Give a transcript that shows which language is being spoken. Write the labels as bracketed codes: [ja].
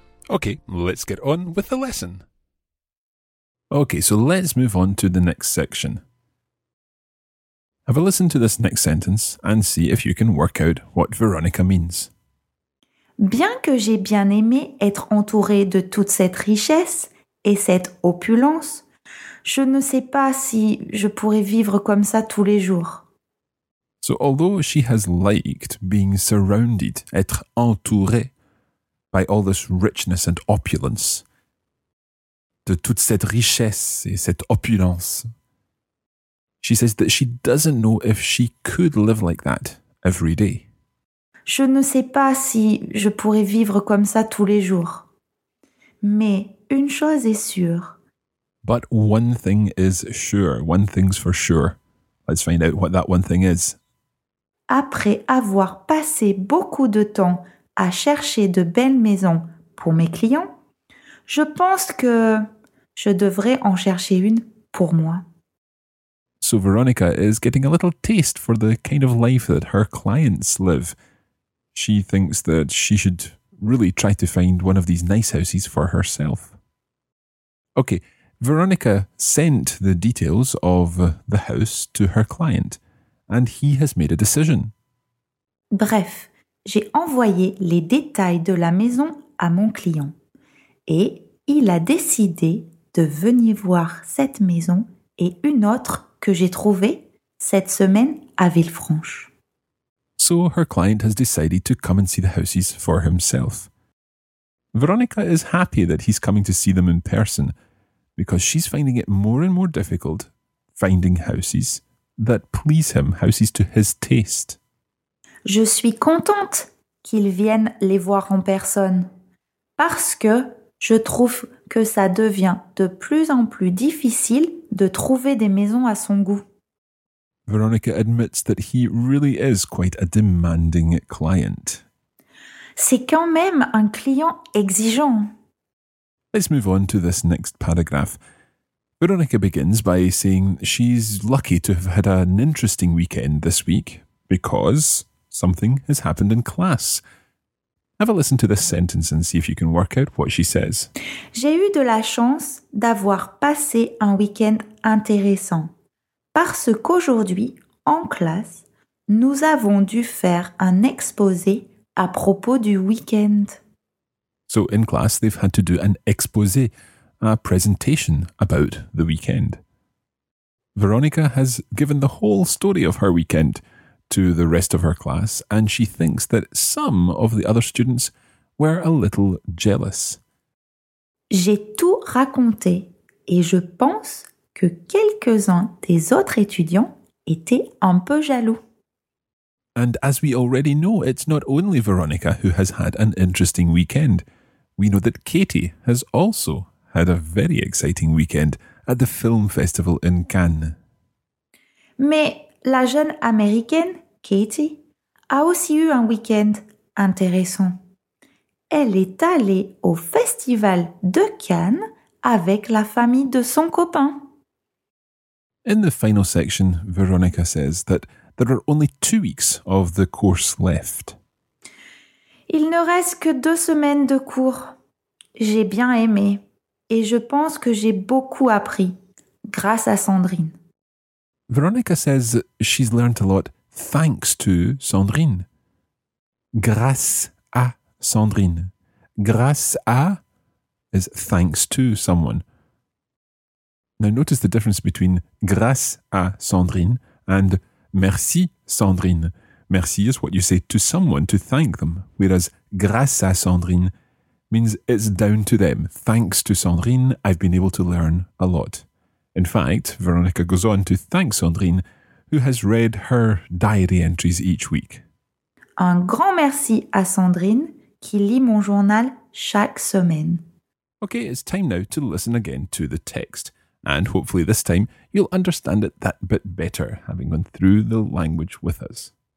[en] Okay, let's get on with the lesson. Okay, so let's move on to the next section. Have a listen to this next sentence and see if you can work out what Veronica means. [fr] Bien que j'ai bien aimé être entourée de toute cette richesse et cette opulence, je ne sais pas si je pourrais vivre comme ça tous les jours. [en] So although she has liked being surrounded, [fr] être entourée [en] by all this richness and opulence, [fr] de toute cette richesse et cette opulence, [en] she says that she doesn't know if she could live like that every day. [fr] Je ne sais pas si je pourrais vivre comme ça tous les jours. Mais une chose est sûre. [en] But one thing is sure. One thing's for sure. Let's find out what that one thing is. [fr] Après avoir passé beaucoup de temps à chercher de belles maisons pour mes clients, je pense que je devrais en chercher une pour moi. [en] So Veronica is getting a little taste for the kind of life that her clients live. She thinks that she should really try to find one of these nice houses for herself. Okay, Veronica sent the details of the house to her client, and he has made a decision. [fr] Bref, j'ai envoyé les détails de la maison à mon client, et il a décidé de venir voir cette maison et une autre que j'ai trouvé cette semaine à Villefranche. [en] So her client has decided to come and see the houses for himself. Veronica is happy that he's coming to see them in person because she's finding it more and more difficult finding houses that please him, houses to his taste. [fr] Je suis contente qu'il vienne les voir en personne parce que je trouve que ça devient de plus en plus difficile de trouver des maisons à son goût. [en] Veronica admits that he really is quite a demanding client. [fr] C'est quand même un client exigeant. [en] Let's move on to this next paragraph. Veronica begins by saying she's lucky to have had an interesting weekend this week because something has happened in class. Have a listen to this sentence and see if you can work out what she says. [fr] J'ai eu de la chance d'avoir passé un week-end intéressant parce qu'aujourd'hui, en classe, nous avons dû faire un exposé à propos du week-end. [en] So in class, they've had to do an exposé, a presentation about the weekend. Veronica has given the whole story of her weekend to the rest of her class, and she thinks that some of the other students were a little jealous. [fr] J'ai tout raconté et je pense que quelques-uns des autres étudiants étaient un peu jaloux. [en] And as we already know, it's not only Veronica who has had an interesting weekend. We know that Katie has also had a very exciting weekend at the film festival in Cannes. [fr] Mais la jeune américaine, Katie, a aussi eu un week-end intéressant. Elle est allée au festival de Cannes avec la famille de son copain. [en] In the final section, Veronica says that there are only 2 weeks of the course left. [fr] Il ne reste que 2 semaines de cours. J'ai bien aimé et je pense que j'ai beaucoup appris grâce à Sandrine. [en] Veronica says she's learned a lot thanks to Sandrine. [fr] Grâce à Sandrine. [en] Grâce à is thanks to someone. Now notice the difference between grâce à Sandrine and merci Sandrine. Merci is what you say to someone to thank them, whereas grâce à Sandrine means it's down to them. Thanks to Sandrine, I've been able to learn a lot. In fact, Veronica goes on to thank Sandrine, who has read her diary entries each week. [fr] Un grand merci à Sandrine, qui lit mon journal chaque semaine. [en] Okay, it's time now to listen again to the text. And hopefully this time, you'll understand it that bit better, having gone through the language with us.